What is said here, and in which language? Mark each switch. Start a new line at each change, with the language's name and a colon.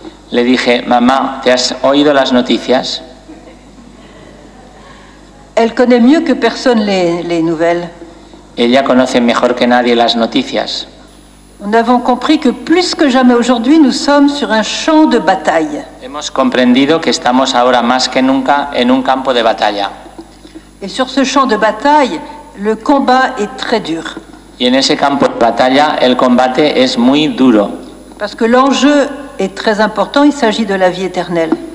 Spanish: Le dije, mamá, ¿te has oído las noticias?
French: Elle connaît mieux que personne les nouvelles.
Spanish: Ella conoce mejor que nadie las noticias.
French: Nous avons compris que plus que jamais aujourd'hui, nous sommes sur un champ de bataille.
Spanish: Hemos comprendido que estamos ahora más que nunca en un campo de batalla.
French: Et sur ce champ de bataille, le combat est très dur.
Spanish: Y en ese campo de batalla, el combate es muy duro.
French: Parce que l'enjeu est très important, il s'agit de la vie éternelle.